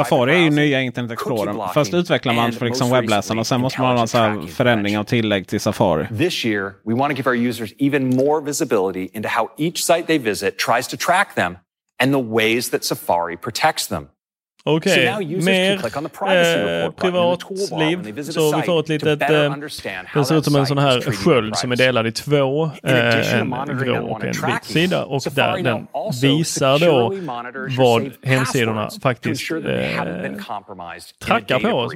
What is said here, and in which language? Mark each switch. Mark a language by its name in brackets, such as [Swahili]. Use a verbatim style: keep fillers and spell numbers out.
[Swedish] Safari är ju nya Internet Explorer. Först utvecklar man för liksom webbläsaren och sen måste man ha en förändring av tillägg till Safari. [English] This year, we want to give our users even more visibility into how each site they visit tries to track them and the ways that Safari protects them. [Swedish] Okej, okay. so mer eh, privatliv. Så vi får ett litet, eh, det ser ut som en sån här sköld som är delad i två, eh, en grå och en vit sida. Och där den visar då vad hemsidorna faktiskt eh, trackar på oss.